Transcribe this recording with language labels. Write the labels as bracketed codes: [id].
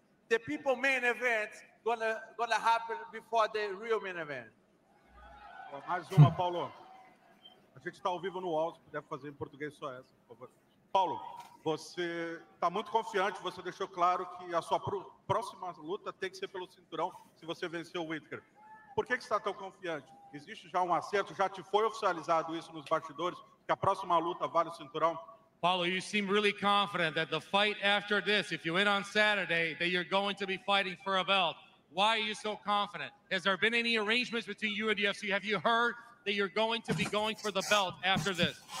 [en] The people main event gonna happen before the real main event. [pt] Mais uma, Paulo. A gente está ao vivo no áudio, se puder fazer em português só essa, por favor. Paulo, você está muito confiante, você deixou claro que a sua próxima luta tem que ser pelo cinturão se você vencer o Whittaker. Por que você está tão confiante? Existe já um acerto, já te foi oficializado isso nos bastidores, que a próxima luta vale o cinturão? [en] Paulo, you seem really confident that the fight after this, if you win on Saturday, that you're going to be fighting for a belt. Why are you so confident? Has there been any arrangements between you and the UFC? Have you heard that you're going to be going for the belt after this?